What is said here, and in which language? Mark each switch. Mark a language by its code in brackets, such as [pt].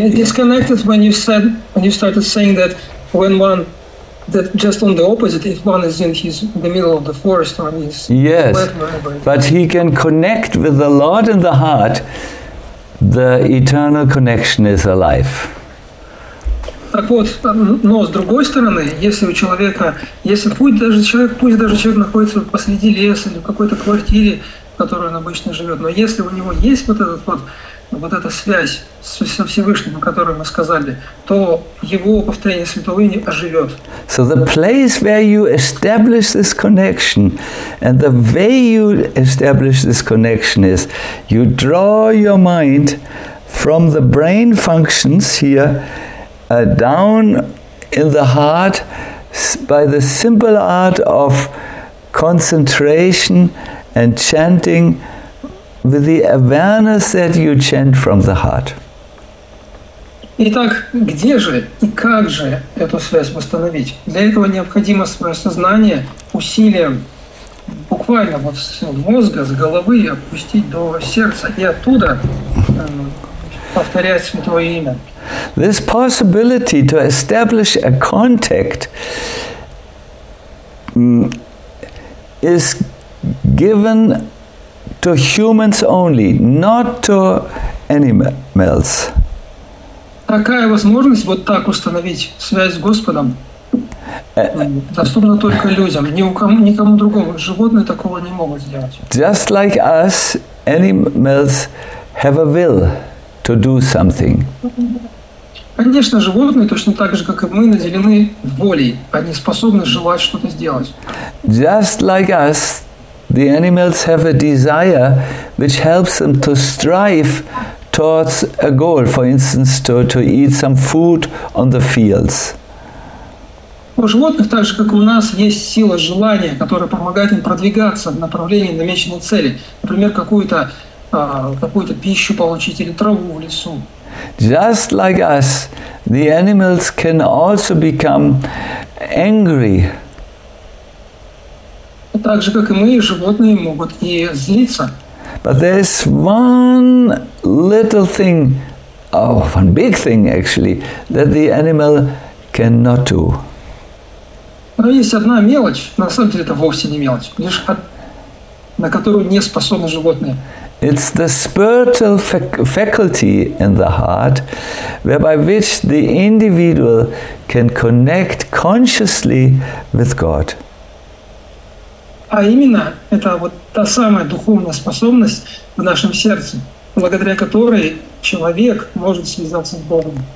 [en] It disconnected when you said, when you started saying that when one, that just on the opposite, if one is in his, in the middle of the forest or he's... Yes, wherever, but he can connect with the Lord in the heart, the eternal connection is alive. [ru] Так вот, но с другой стороны, если у человека, если пусть даже человек находится посреди леса или в какой-то квартире, в которой он обычно живет, но если у него есть вот этот вот, вот эта связь со Всевышним, о которой мы сказали, то его повторение святого имени оживет. [en] So the place where you establish this connection and the way you establish this connection is you draw your mind from the brain functions here down in the heart by the simple art of concentration and chanting with the awareness that you chant from the heart. [ru] Итак, где же и как же эту связь восстановить? Для этого необходимо свое сознание усилием буквально вот с мозга, с головы опустить до сердца и оттуда повторять святое имя. [en] This possibility to establish a contact is given to humans only, not to animals. [ru] Такая возможность вот так установить связь с Господом доступна только людям, никому другому. Животные такого не могут сделать. [en] Just like us, animals have a will to do something. [ru] Конечно, животные точно так же, как и мы, наделены волей. Они способны желать что-то сделать. [en] Just like us, the animals have a desire which helps them to strive towards a goal, for instance, to eat some food on the fields. [ru] У животных так же, как и у нас, есть сила желания, которая помогает им продвигаться в направлении намеченной цели. Например, какую-то пищу получить или траву в лесу. [en] Just like us, the animals can also become angry. [ru] Так же, как и мы, животные могут и злиться. [en] But there's one little thing, one big thing actually, that the animal cannot do. [ru] Но есть одна мелочь, на самом деле это вовсе не мелочь, лишь на которую не способны животные. [en] It's the spiritual faculty in the heart, whereby which the individual can connect consciously with God. [ru] А именно, это вот та самая духовная способность в нашем сердце, благодаря которой человек может связаться с Богом.